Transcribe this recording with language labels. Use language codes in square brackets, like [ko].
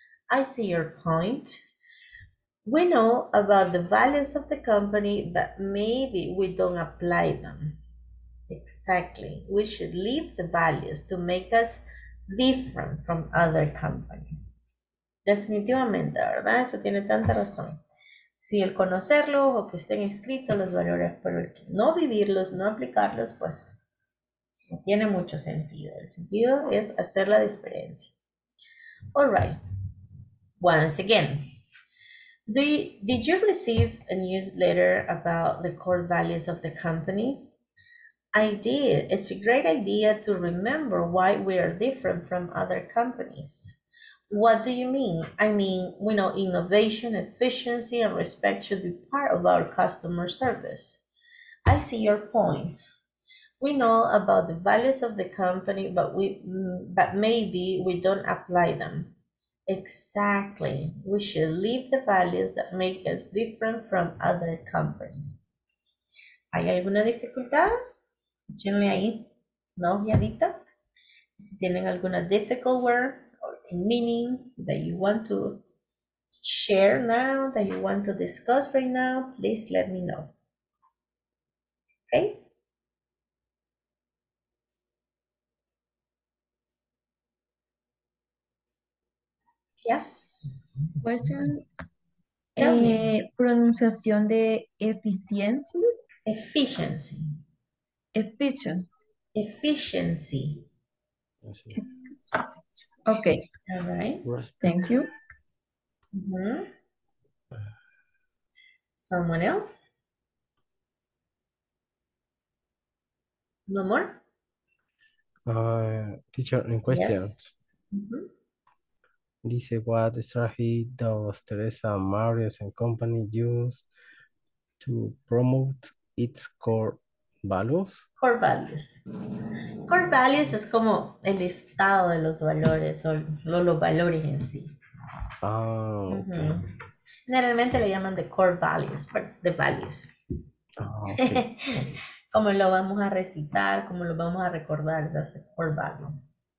[en] I see your point. We know about the values of the company, but maybe we don't apply them. Exactly. We should leave the values to make us different from other companies. [es] Definitivamente, ¿verdad? Eso tiene tanta razón. Si el conocerlos o que estén escritos los valores, pero el no vivirlos, no aplicarlos, pues no tiene mucho sentido. El sentido es hacer la diferencia. [en] All right. Once again, did you receive a newsletter about the core values of the company? I did. It's a great idea to remember why we are different from other companies. What do you mean? I mean, we know innovation, efficiency, and respect should be part of our customer service. I see your point. We know about the values of the company, but maybe we don't apply them. Exactly. We should leave the values that make us different from other companies. [es] ¿Hay alguna dificultad? Échenle ahí, ¿no, Yanita? Si tienen alguna [en] difficult word, or the meaning that you want to share now, that you want to discuss right now, please let me know. Okay? Yes? [es] Question? Pronunciación de eficiencia? [en] Efficiency. Efficiency. Efficiency. Okay. All right. Thank you. Someone else? No more? Teacher, in questions. Yes. Dice, what strategy does Teresa, Marius and company use to promote its core values? Core values. [es] Core values es como el estado de los valores o los valores en sí. [en] Ah, okay. [es] Generalmente le llaman [en] the core values, but it's the values. Ah, okay. [es] Como lo vamos a recitar, como lo vamos a recordar, the core values.